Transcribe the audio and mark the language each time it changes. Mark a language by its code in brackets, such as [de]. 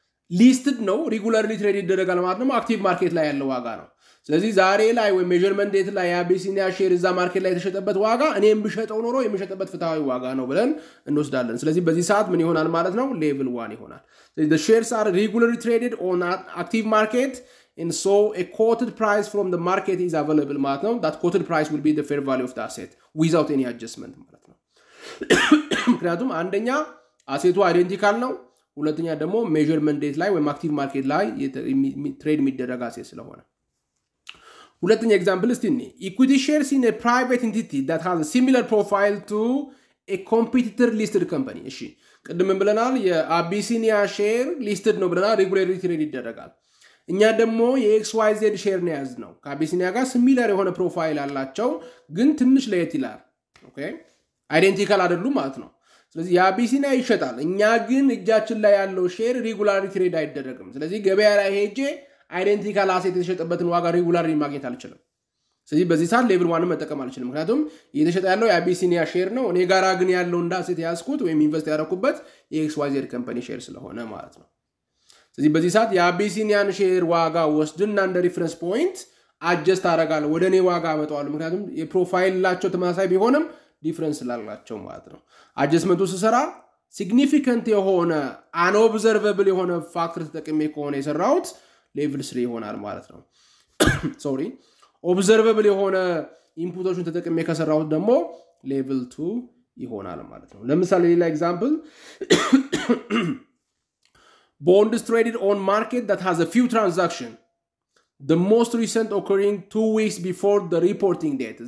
[am] ሊስትድ ነው፣ ሪጉላርሊ ትሬድ ይደረጋል ማለት ነው። አክቲቭ ማርኬት ላይ ያለው ዋጋ ነው። ስለዚህ ዛሬ ላይ ወይም ሜዥርመንት ዴት ላይ የአቢሲኒያ ሼር እዛ ማርኬት ላይ የተሸጠበት ዋጋ እኔም ብሸጠው ኖሮ የሚሸጠበት ፍትሐዊ ዋጋ ነው ብለን እንወስዳለን። ስለዚህ በዚህ ሰዓት ምን ይሆናል ማለት ነው? ሌቭል ዋን ይሆናል። ስለዚህ [en] ሼርስ አር ሪጉላሪ ትሬድድ ኦን አክቲቭ ማርኬት And so a quoted price from the market is available, [am] ማለት ነው. [en] That quoted price will be the fair value of the asset without any adjustment, [am] ማለት ነው. ምክንያቱም አንደኛ አሴቱ አይደንቲካል ነው, ሁለተኛ ደግሞ ሜዥርመንት ዴት ላይ ወይም አክቲቭ ማርኬት ላይ ትሬድ የሚደረግ አሴት ስለሆነ. ሁለተኛ ኤግዛምፕል እስቲኒ [en] equity shares in a private entity that has a similar profile to a competitor listed company. [am] እሺ, ቀደም ብለናል የአቢሲኒያ ሼር ሊስትድ ነው ብለናል, ሬጉላሪ ትሬድ ይደረጋል. እኛ ደግሞ የXYZ ሼር ነው ያዝነው, ከአቢሲኒያ ጋር ሲሚላር የሆነ ፕሮፋይል አላቸው, ግን ትንሽ ለየት ይላል. ኦኬ, አይደንቲካል አይደሉም ማለት ነው. ስለዚህ የአቢሲኒያ ይሸጣል, እኛ ግን እጃችን ላይ ያለው ሼር ሬጉላሪ ትሬድ አይደረግም. ስለዚህ ገበያ ላይ ሄጄ አይደንቲካል አሴት የተሸጠበትን ዋጋ ሬጉላሪ ማግኘት አልችልም. ስለዚህ በዚህ ሰዓት ሌቭል ዋንም መጠቀም አልችልም, ምክንያቱም የተሸጠ ያለው የአቢሲኒያ ሼር ነው, እኔ ጋራ ግን ያለው እንደ አሴት ያዝኩት ወይም ኢንቨስት ያደረኩበት የXYZ ካምፓኒ ሼር ስለሆነ ማለት ነው. ስለዚህ በዚህ ሰዓት የአቢሲኒያን ሼር ዋጋ ወስድና እንደ ሪፈረንስ ፖይንት አጀስት አደርጋለሁ, ወደ እኔ ዋጋ አመጣዋለሁ, ምክንያቱም የፕሮፋይላቸው ተመሳሳይ ቢሆንም ዲፍረንስ ላላቸው ማለት ነው. አጀስትመንቱ ስሰራ ሲግኒፊካንት የሆነ አን ኦብዘርቨብል የሆነ ፋክተር ተጠቅሜ ከሆነ የሰራሁት ሌቭል 3 ይሆናል ማለት ነው. ሶሪ, observable የሆነ ኢንፑቶችን ተጠቅሜ ከሰራሁት ደግሞ level 2 ይሆናል ማለት ነው. ለምሳሌ ሌላ [en] example, bonds traded on market that has a few transaction the most recent occurring 2 weeks before the reporting date.